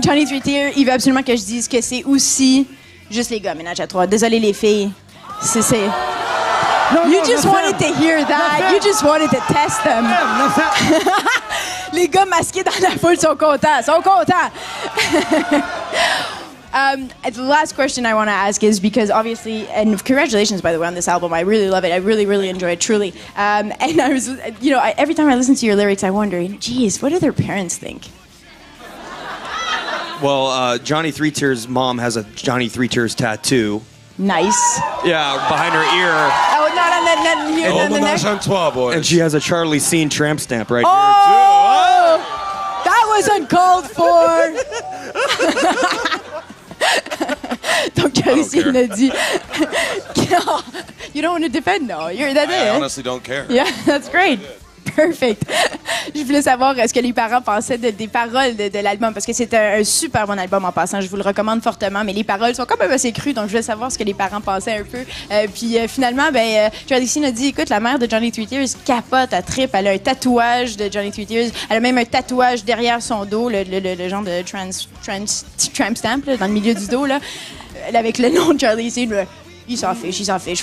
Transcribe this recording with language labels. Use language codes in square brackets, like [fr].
[fr] Johnny Threeteer, il veut absolument que je dise que c'est aussi juste les gars, ménage à trois. Désolé, les filles. C'est... [en] You just wanted to test them. [fr] Les gars masqués dans la foule sont contents. [en] the last question I want to ask is because obviously, and congratulations by the way on this album, I really love it, I really, really enjoy it, truly. And I was, you know, every time I listen to your lyrics, I wonder, geez, what do their parents think? Well, Johnny Threeteer's mom has a Johnny Threeteer's tattoo. Nice. Yeah, behind her ear. Oh, not on the neck. Oh, ménage à trois, boys. And she has a Charlie Sheen tramp stamp right here. Oh! That was uncalled for! [fr] Donc, Charlie l'a dit. [en] You don't want to defend, though. No. You're that I honestly don't care. Yeah, that's great. Perfect. [fr] Je voulais savoir ce que les parents pensaient des paroles de l'album, parce que c'est un super bon album en passant. Je vous le recommande fortement, mais les paroles sont quand même assez crues, donc je voulais savoir ce que les parents pensaient un peu. Puis finalement, Tradition a dit, écoute, la mère de Johnny Three Tears capote, elle trippe, elle a un tatouage de Johnny Three Tears, elle a même un tatouage derrière son dos, le genre de tramp stamp, là, dans le milieu du dos, là, avec le nom de Charlie C. Il s'en fiche.